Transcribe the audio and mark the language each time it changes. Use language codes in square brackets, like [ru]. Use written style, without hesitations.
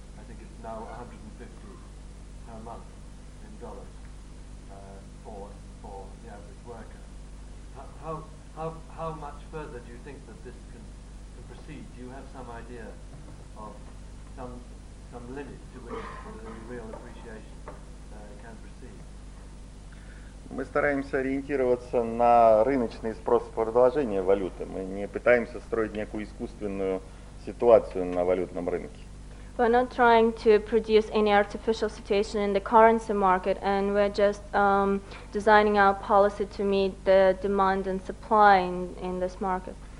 [en] I think it's now 150 per month in dollars for the average worker. How much further do you think that this can proceed? Do you have some idea of some limit to which the real appreciation can proceed? [ru] Мы стараемся ориентироваться на рыночный спрос и предложение валюты. Мы не пытаемся строить некую искусственную ситуацию на валютном рынке. [en] We're not trying to produce any artificial situation in the currency market, and we're just designing our policy to meet the demand and supply in this market.